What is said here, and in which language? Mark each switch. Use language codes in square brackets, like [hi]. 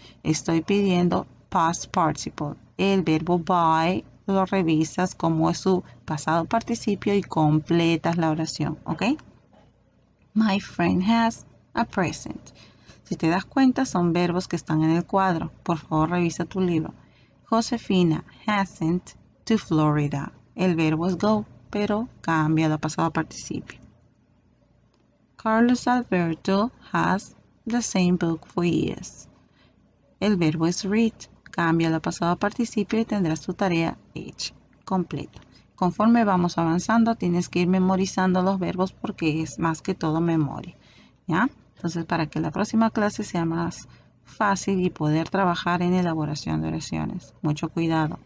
[es] Estoy pidiendo past participle. El verbo buy lo revisas como es su pasado participio y completas la oración, ¿ok? [en] My friend has a present. [es] Si te das cuenta, son verbos que están en el cuadro. Por favor, revisa tu libro. [en] Josefina hasn't to Florida. [es] El verbo es go, pero cambia la pasado participio. [en] Carlos Alberto has the same book for years. [es] El verbo es read. Cambia la pasado participio y tendrás tu tarea hecha, completa. Conforme vamos avanzando, tienes que ir memorizando los verbos porque es más que todo memoria, ¿ya? Entonces, para que la próxima clase sea más fácil y poder trabajar en elaboración de oraciones, mucho cuidado.